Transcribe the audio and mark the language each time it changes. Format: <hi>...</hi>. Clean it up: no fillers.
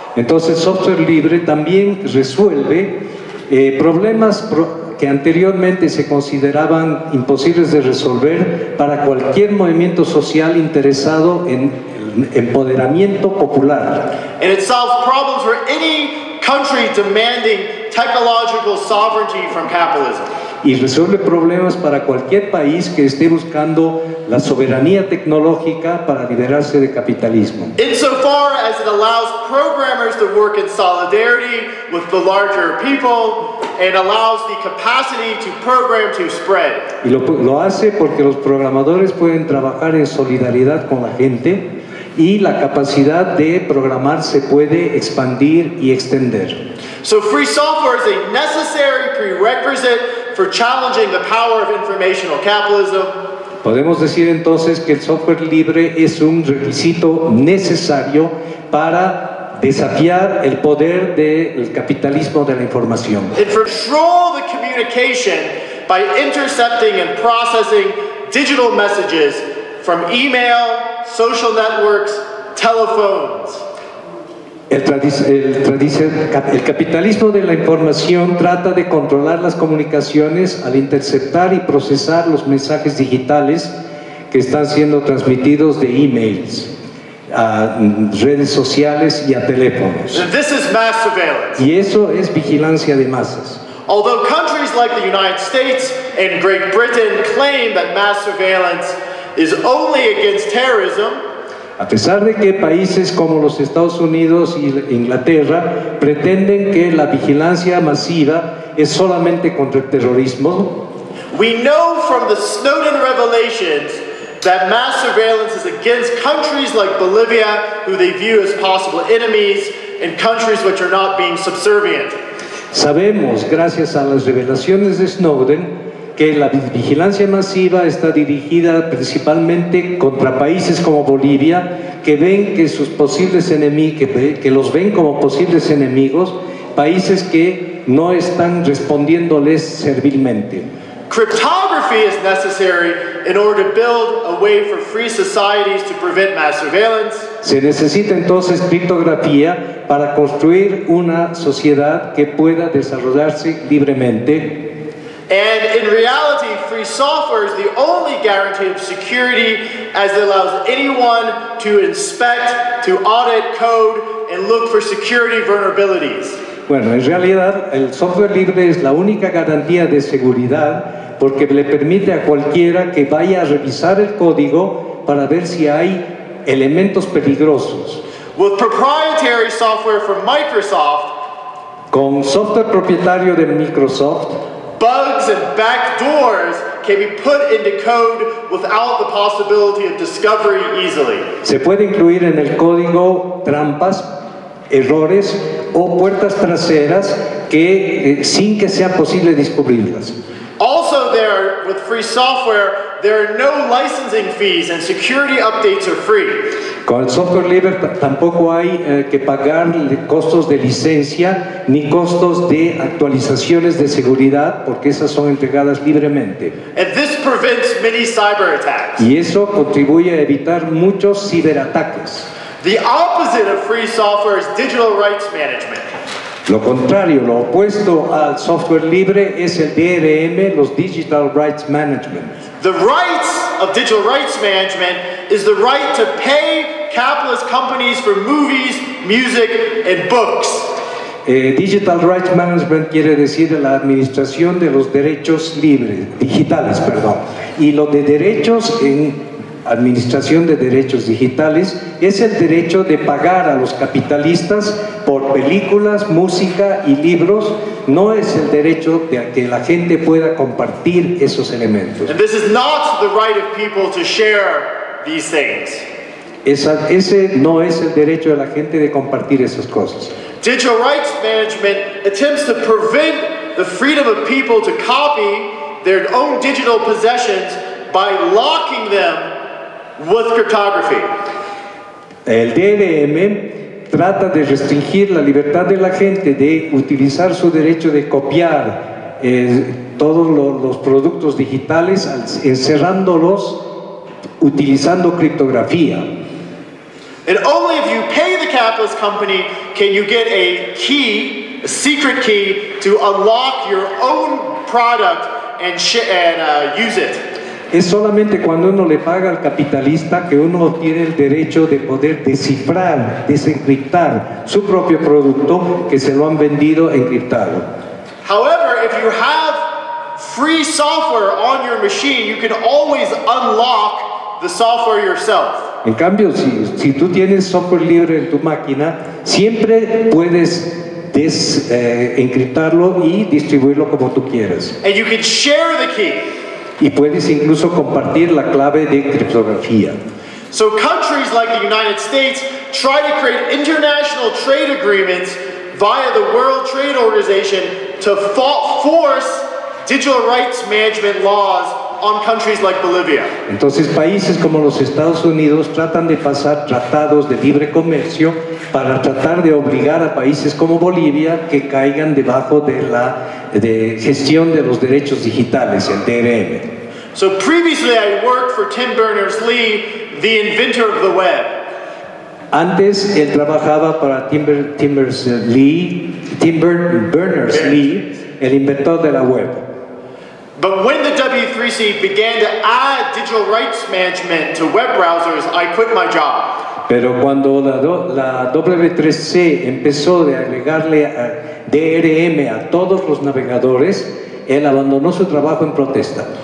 <es>Entonces, software libre también resuelve problemas que anteriormente se consideraban imposibles de resolver para cualquier movimiento social interesado en empoderamiento popular.</es> <en>And it solves problems for any country demanding technological sovereignty from capitalism.</en> <es>Y resuelve problemas para cualquier país que esté buscando la soberanía tecnológica para liberarse de capitalismo.</es> <en>Insofar as it allows programmers to work in solidarity with the larger people and allows the capacity to program to spread.</en> <es>Y lo hace porque los programadores pueden trabajar en solidaridad con la gente y la capacidad de programar se puede expandir y extender.</es> <en>So free software is a necessary prerequisite for challenging the power of informational capitalism.</en> <es>Podemos decir entonces que el software libre es un requisito necesario para desafiar el poder del capitalismo de la información.</es> <en>It controls the communication by intercepting and processing digital messages from email, social networks, telephones.</en> <es>El capitalismo de la información trata de controlar las comunicaciones al interceptar y procesar los mensajes digitales que están siendo transmitidos de emails a redes sociales y a teléfonos.</es> <en>This is mass surveillance.</en> <es>Y eso es vigilancia de masas.</es> <en>Although countries like the United States and Great Britain claim that mass surveillance is only against terrorism,</en> <es>a pesar de que países como los Estados Unidos y Inglaterra pretenden que la vigilancia masiva es solamente contra el terrorismo,</es> <en>we know from the Snowden revelations that mass surveillance is against countries like Bolivia, who they view as possible enemies, and countries which are not being subservient.</en> <es>Sabemos, gracias a las revelaciones de Snowden, que la vigilancia masiva está dirigida principalmente contra países como Bolivia, que ven que sus posibles enemigos, que los ven como posibles enemigos, países que no están respondiéndoles servilmente.</es> <en>Cryptography is necessary in order to build a way for free societies to prevent mass surveillance.</en> <es>Se necesita entonces criptografía para construir una sociedad que pueda desarrollarse libremente.</es> <en>And in reality, free software is the only guarantee of security, as it allows anyone to inspect, to audit code, and look for security vulnerabilities.</en> <es>Bueno, en realidad, el software libre es la única garantía de seguridad porque le permite a cualquiera que vaya a revisar el código para ver si hay elementos peligrosos.</es> <en>With proprietary software from Microsoft,</en> <es>con software propietario de Microsoft,</es> <en>bugs and backdoors can be put into code without the possibility of discovery easily.</en> <es>Se puede incluir en el código trampas, errores o puertas traseras que sin que sea posible descubrirlas.</es> <en>Also, there with free software, there are no licensing fees and security updates are free.</en> <es>Con el software libre tampoco hay que pagar costos de licencia ni costos de actualizaciones de seguridad porque esas son entregadas libremente.</es> <en>And this prevents many cyber attacks.</en> <es>Y eso contribuye a evitar muchos ciberataques.</es> <en>The opposite of free software is digital rights management.</en> <es>Lo contrario, lo opuesto al software libre es el DRM, los Digital Rights Management.</es> <en>The rights of digital rights management is the right to pay capitalist companies for movies, music, and books.</en> <es>Digital Rights Management quiere decir la administración de los derechos libres, digitales, perdón. Y lo de derechos en administración de derechos digitales es el derecho de pagar a los capitalistas por películas, música y libros, no es el derecho de que la gente pueda compartir esos elementos.</es> <en>And this is not the right of people to share these things.</en> <es>Ese no es el derecho de la gente de compartir esas cosas.</es> <en>Digital rights management attempts to prevent the freedom of people to copy their own digital possessions by locking them with cryptography.</en> <es>El DRM trata de restringir la libertad de la gente de utilizar su derecho de copiar todos los productos digitales encerrándolos utilizando criptografía.</es> <en>And only if you pay the capitalist company can you get a key, a secret key, to unlock your own product use it.</en> <es>Es solamente cuando uno le paga al capitalista que uno tiene el derecho de poder descifrar, desencriptar su propio producto que se lo han vendido encriptado.</es> <en>However, if you have free software on your machine, you can always unlock the software yourself.</en> <es>En cambio, si tú tienes software libre en tu máquina, siempre puedes encriptarlo y distribuirlo como tú quieras.</es> <en>And you can share the key.</en> <es>Y puedes incluso compartir la clave de criptografía.</es> <en>So countries like the United States try to create international trade agreements via the World Trade Organization to force digital rights management laws on countries like Bolivia.</en> <es>Entonces países como los Estados Unidos tratan de pasar tratados de libre comercio para tratar de obligar a países como Bolivia que caigan debajo de la gestión de los derechos digitales, el DRM.</es> <en>So previously I worked for Tim Berners-Lee, the inventor of the web.</en> <es>Antes él trabajaba para Tim Berners-Lee, el inventor de la web.</es> <en>But when the W3 Andreessen began to add digital rights management to web browsers, I quit my job.</en> <es>Pero cuando la W3C empezó a agregarle a DRM a todos los navegadores, él abandonó su trabajo en protesta.</es>